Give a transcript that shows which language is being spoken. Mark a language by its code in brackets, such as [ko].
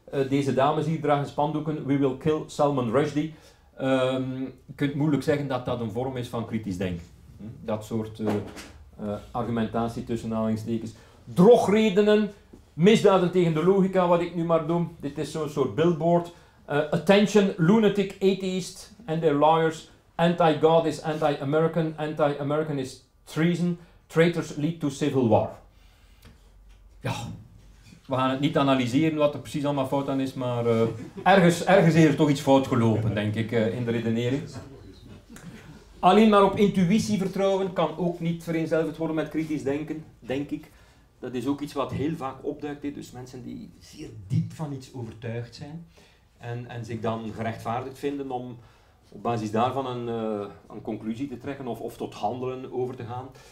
[nl] Deze dames hier dragen spandoeken, [en] we will kill Salman Rushdie. [nl] Je kunt moeilijk zeggen dat dat een vorm is van kritisch denken. Dat soort argumentatie tussen aanhalingstekens. Drogredenen, misdaden tegen de logica, wat ik nu maar noem. Dit is zo'n soort billboard. [en] Attention, lunatic atheist and their lawyers. Anti-God is anti-American. Anti-American is treason, traitors lead to civil war. [nl] Ja, we gaan het niet analyseren wat er precies allemaal fout aan is, maar ergens is er toch iets fout gelopen, denk ik, in de redenering. Alleen maar op intuïtie vertrouwen kan ook niet vereenzelvigd worden met kritisch denken, denk ik. Dat is ook iets wat heel vaak opduikt, dus mensen die zeer diep van iets overtuigd zijn en zich dan gerechtvaardigd vinden om op basis daarvan een conclusie te trekken of tot handelen over te gaan.